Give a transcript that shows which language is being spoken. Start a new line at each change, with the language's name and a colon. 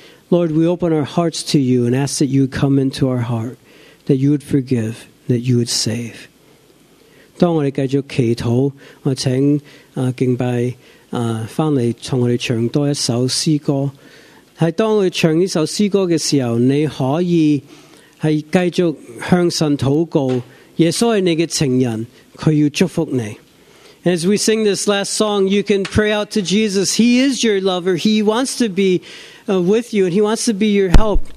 English: Lord, we open our hearts to you and ask that you would come into our heart, that you would forgive, that you would save.
Chinese: 当我们继续祈祷，我请敬拜回来从我们唱多一首诗歌。在当我们唱这首诗歌的时候，你可以是继续向神祷告，耶稣是你的情人，他要祝福你。
English: As we sing this last song, you can pray out to Jesus. He is your lover. He wants to be with you, and he wants to be your help.